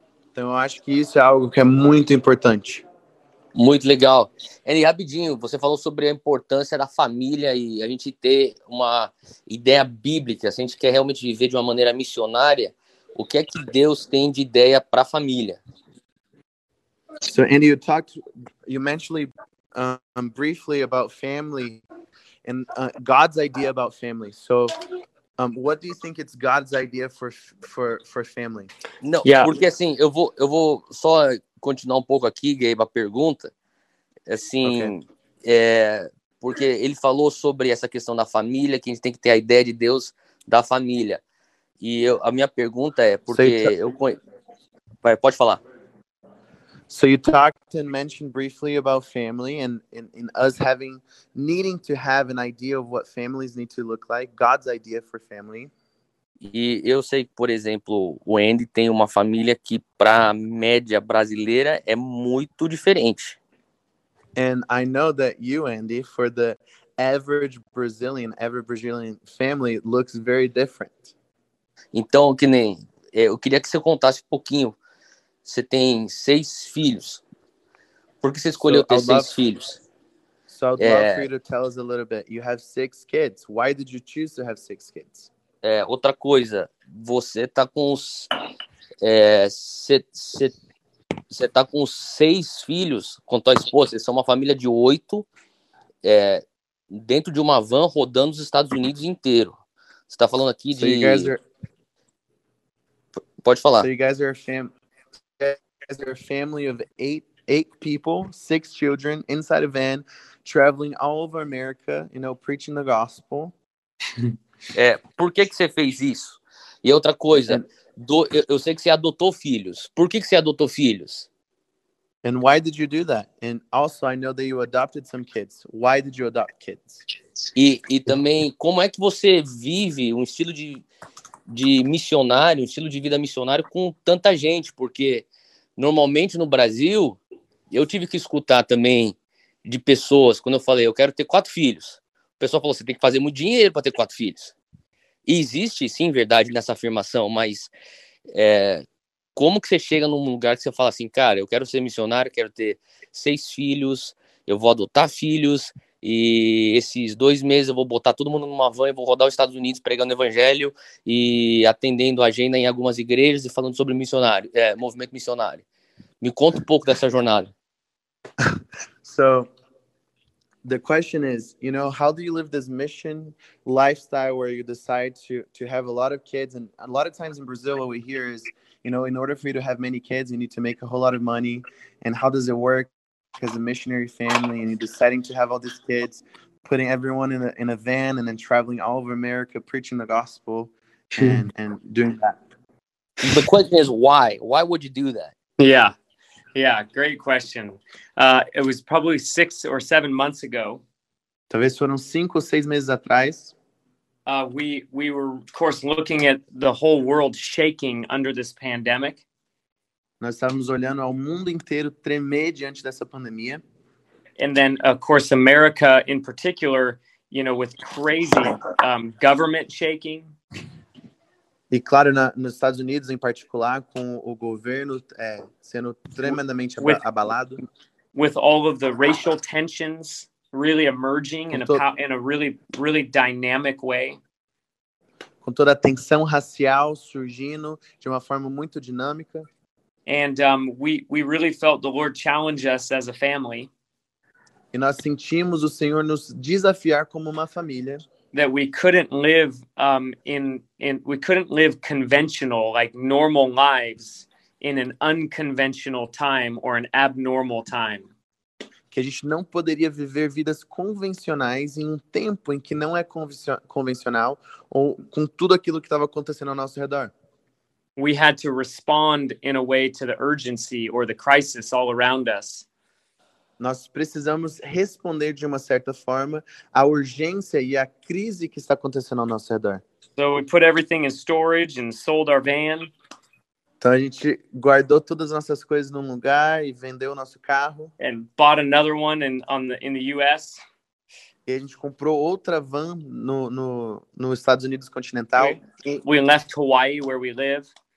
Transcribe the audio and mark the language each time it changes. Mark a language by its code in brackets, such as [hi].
[pt] Então eu acho que isso é algo que é muito importante. Muito legal. Eli, rapidinho, você falou sobre a importância da família e a gente ter uma ideia bíblica. Se a gente quer realmente viver de uma maneira missionária, o que é que Deus tem de ideia para a família? [en] So, Andy, you mentioned briefly about family and God's idea about family. So, what do you think it's God's idea for family? [pt] Não, yeah. Porque assim, eu vou só continuar um pouco aqui, Gabe, a pergunta. Assim, okay. Porque ele falou sobre essa questão da família, que a gente tem que ter a ideia de Deus da família. E eu, a minha pergunta é, porque pode falar. [en] So you talked and mentioned briefly about family and us having needing to have an idea of what families need to look like, God's idea for family. [pt] E eu sei que, por exemplo, o Andy tem uma família que para a média brasileira é muito diferente. [en] And I know that you, Andy, for the average Brazilian family looks very different. [pt] Então, que nem, eu queria que você contasse um pouquinho. Você tem 6 filhos. Por que você escolheu ter 6 filhos? [en] So I'd love for you to tell us a little bit. You have 6 kids. Why did you choose to have 6 kids? [pt] É, outra coisa. Você tá com você tá com 6 filhos com tua esposa. Vocês são uma família de 8 dentro de uma van rodando os Estados Unidos inteiro. Você tá falando aqui de... Pode falar. [en] So you guys are a family. As a family of 8 people, 6 children, inside a van, traveling all over America, you know, preaching the gospel. [pt] Por que que você fez isso? E outra coisa, eu sei que você adotou filhos. Por que que você adotou filhos? [en] And why did you do that? And also, I know that you adopted some kids. Why did you adopt kids? [pt] E também, como é que você vive um estilo de missionário, um estilo de vida missionário com tanta gente? Porque... Normalmente no Brasil, eu tive que escutar também de pessoas, quando eu falei, eu quero ter 4 filhos. O pessoal falou, você tem que fazer muito dinheiro para ter 4 filhos. E existe, sim, verdade nessa afirmação, mas como que você chega num lugar que você fala assim, cara, eu quero ser missionário, quero ter 6 filhos, eu vou adotar filhos, e esses 2 meses eu vou botar todo mundo numa van e vou rodar os Estados Unidos pregando o evangelho e atendendo a agenda em algumas igrejas e falando sobre missionário, movimento missionário. Me conta um pouco dessa jornada. [en] So, the question is, you know, how do you live this mission lifestyle where you decide to have a lot of kids? And a lot of times in Brazil, what we hear is, you know, in order for you to have many kids, you need to make a whole lot of money. And how does it work? As a missionary family, and you're deciding to have all these kids, putting everyone in a van, and then traveling all over America, preaching the gospel, and doing that. The question is, why? Why would you do that? Yeah, yeah, great question. It was probably 6 or 7 months ago. [pt] Talvez foram 5 ou 6 meses atrás. [en] We were, of course, looking at the whole world shaking under this pandemic. [pt] Nós estávamos olhando ao mundo inteiro tremer diante dessa pandemia. [en] And then, of course, America in particular, you know, with crazy government shaking. [pt] E claro, nos Estados Unidos em particular, com o governo sendo tremendamente abalado. [en] With all of the racial tensions really emerging in a really, really dynamic way. [pt] Com toda a tensão racial surgindo de uma forma muito dinâmica. [en] And we really felt the Lord challenge us as a family. [pt] E nós sentimos o Senhor nos desafiar como uma família. [en] That we couldn't live we couldn't live conventional, like normal lives in an unconventional time or an abnormal time. [pt] Que a gente não poderia viver vidas convencionais em um tempo em que não é convencional ou com tudo aquilo que estava acontecendo ao nosso redor. [en] We had to respond in a way to the urgency or the crisis all around us. [pt] Nós precisamos responder de uma certa forma à urgência e à crise que está acontecendo ao nosso redor. [en] So we put everything in storage and sold our van. [pt] Então a gente guardou todas as nossas coisas num lugar e vendeu o nosso carro. [en] And bought another one in the US. [pt] E a gente comprou outra van no Estados Unidos continental. [en] We left Hawaii where we live.